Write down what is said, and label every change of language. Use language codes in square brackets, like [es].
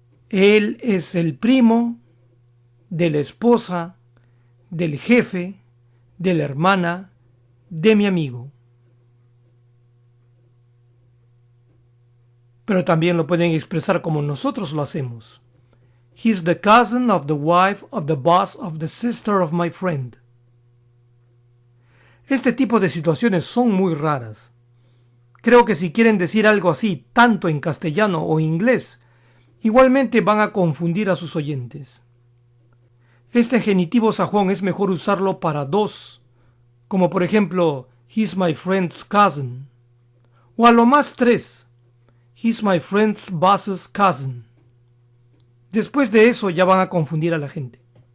[es] Él es el primo de la esposa, del jefe, de la hermana, de mi amigo. Pero también lo pueden expresar como nosotros lo hacemos. [en] He's the cousin of the wife of the boss of the sister of my friend. [es] Este tipo de situaciones son muy raras. Creo que si quieren decir algo así, tanto en castellano o inglés, igualmente van a confundir a sus oyentes. Este genitivo sajón es mejor usarlo para dos, como por ejemplo, [en] he's my friend's cousin, [es] o a lo más tres, [en] he's my friend's boss's cousin. [es] Después de eso ya van a confundir a la gente.